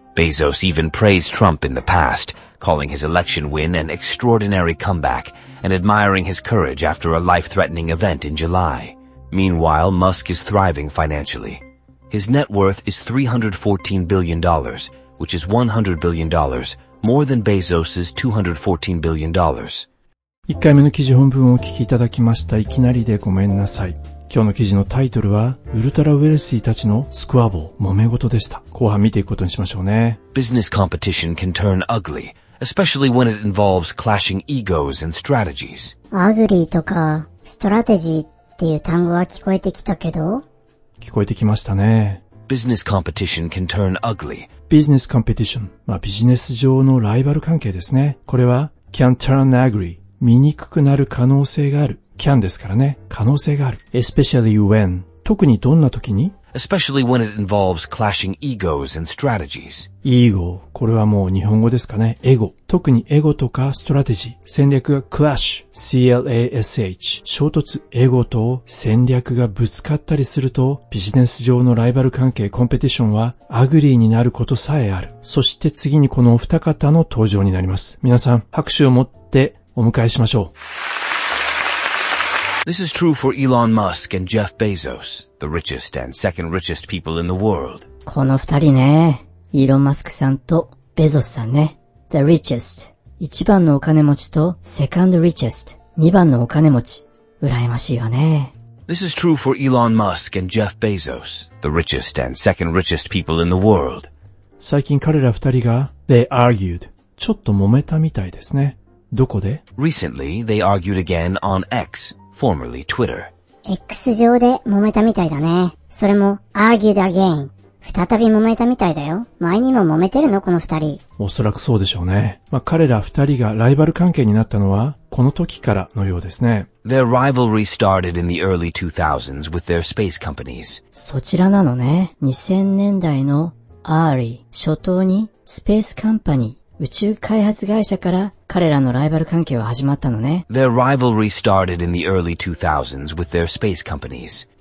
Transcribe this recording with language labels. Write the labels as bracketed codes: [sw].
[en] Bezos even praised Trump in the past, calling his election win an extraordinary comeback and admiring his courage after a life-threatening event in July. Meanwhile, Musk is thriving financially. His net worth is $314 billion, which is $100 billion, more than Bezos's $214 billion. [ja] 1回目の記事本文をお聞きいただきました。いきなりでごめんなさい。今日の記事のタイトルは、ウルトラウェルシーたちのスクワボー、揉め事でした。後半見ていくことにしましょうね。 [en] Business competition can turn ugly, especially when it involves clashing egos and strategies. [ja] Ugly とか、strategy っていう単語は聞こえてきたけど。聞こえてきましたね。 [en] Business competition can turn ugly. [ja] Business competition、まあ、ビジネス上のライバル関係ですね。これは [en] can turn ugly、 [ja] 見にくくなる可能性がある。 can ですからね。可能性がある。 [en] Especially when、 [ja] 特にどんな時に？ [en] Especially when it involves clashing egos and strategies. [ja] Ego、これはもう日本語ですかね。エゴ。特にエゴとかストラテジー、戦略が clash、C-L-A-S-H、衝突、エゴと戦略がぶつかったりすると、ビジネス上のライバル関係、コンペティションはアグリーになることさえある。そして次にこのお二方の登場になります。皆さん、拍手を持ってお迎えしましょう。 [en] This is true for Elon Musk and Jeff Bezos, the richest and second richest people in the world. [ja] この二人ね、イーロン・マスクさんとベゾスさんね。 [en] The richest, [ja] 一番のお金持ちと [en] second richest, [ja] 二番のお金持ち。羨ましいわね。 [en] This is true for Elon Musk and Jeff Bezos, the richest and second richest people in the world. [ja] 最近彼ら二人が、 [en] they argued, [ja] ちょっと揉めたみたいですね。どこで？ [en] Recently, they argued again on X. Formerly Twitter. [ja] X 上で揉めたみたいだね。それも [en] argued again。 [ja] 再び揉めたみたいだよ。前にも揉めてるのこの二人。おそらくそうでしょうね。まあ、彼ら二人がライバル関係になったのはこの時からのようですね。 [en] Their rivalry started in the early 2000s with their space companies. [ja] そちらなのね。 2000年代の early 初頭にスペースカンパニー、宇宙開発会社から彼らのライバル関係は始まったのね。 [en] Their rivalry started in the early 2000s with their space companies.